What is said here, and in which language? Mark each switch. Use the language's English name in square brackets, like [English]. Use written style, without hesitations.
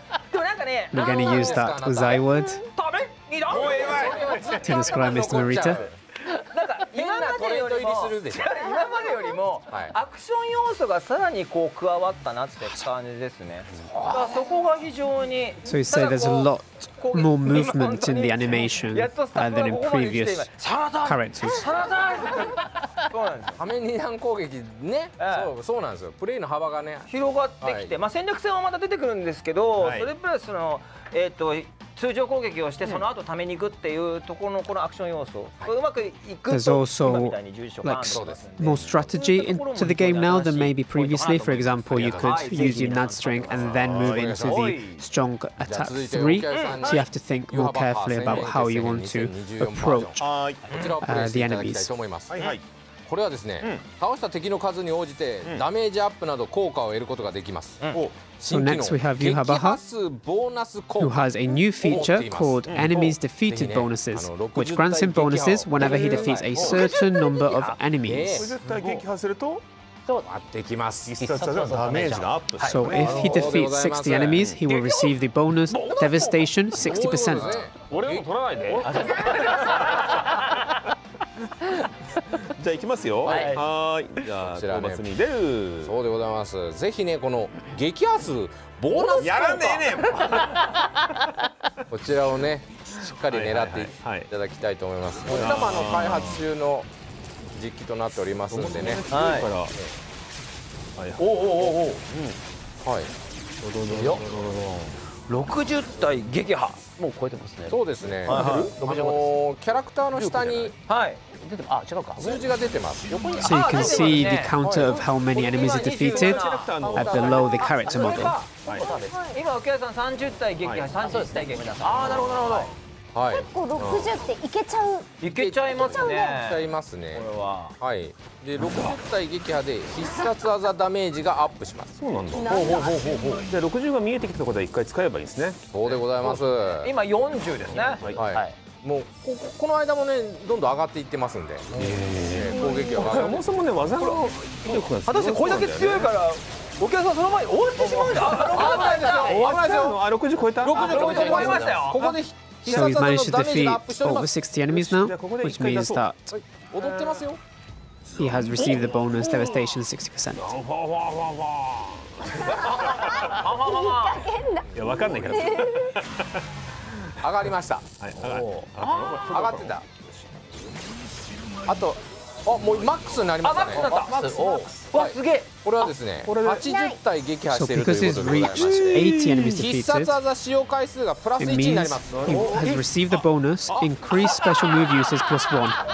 [Japanese] でもなんかね、 [English] We're gonna use that うざい word [Japanese] ダメ [English] To describe Mr. Morita. [Japanese] なんか今までよりも、今までよりもアクション要素がさらにこう加わったなって感じですね。そこが非常に。 [English] So you say there's a lot more movement in the animation than in previous characters. [Japanese] そうなんです。ハメ二段攻撃ね。そうなんですよ。プレイの幅がね広がってきて、まあ戦略戦はまた出てくるんですけど、それプラスの通常攻撃をしてその後ために行くっていうところのこのアクション要素、うまくいくと今みたいに重症化するんで、 [English] more strategy into the game now than maybe previously. For example, you could use your nad string and then move into the strong attack 3. So you have to think more carefully about how you want to approach the enemies. [Japanese] これはですね、倒した敵の数に応じてダメージアップなど効果を得ることができます。 [English] So next we have Yuhabaha, who has a new feature called Enemies Defeated Bonuses, which grants him bonuses whenever he defeats a certain number of enemies. [Japanese] 60体撃破すると回ってきます。必殺技のダメージがアップ。 [English] So if he defeats 60 enemies, he will receive the bonus Devastation 60%。 [Japanese] 俺も取らないで。じゃあ行きますよ。はい、はい、じゃあこちらね、小松にデュー。そうでございます。ぜひねこの激アツボーナスやらねえねえこちらをねしっかり狙っていただきたいと思います。お玉の開発中の実機となっておりますんでね。はい、おおおおお、うん、はい、どどどどどど 60体撃破もう超えてますね。そうですね、はいはい、キャラクターの下に、はい、出てあ違うか、数字が出てます。 [English] So you can see the counter of how many enemies are defeated at below the character model。 [Japanese] 今沖田さん30体撃破、30体撃破、はい、あーなるほどなるほど、はい、結構60っていけちゃう、いけちゃいますね、いけちゃいますね、これは、はい、で60体撃破で必殺技ダメージがアップします。そうなんだ、ほうほうほうほうほう、じゃあ60が見えてきたことは1回使えばいいですね。そうでございます、今40ですね、はい、はいはい、もう この間もねどんどん上がっていってますんで、攻撃はそもそもね技の威力が果たしてこれだけ強いから、お客さんその前に終わってしまうじゃん。危ないですよ、危ないですよ、あ60超えた、 60超えた、超えましたよ、ここで。 [English] So we've managed to defeat over 60 enemies now, which means that he has received the bonus devastation 60%. [Japanese] Yeah, わかんないから。上がりました。上がってた。あと、あもうマックスになりましたね。マックスになった。わ、すげえ。これはですね、80体撃破してるということでございます。必殺技使用回数がプラス1になります。 [English] He has received the bonus increased special move uses plus 1.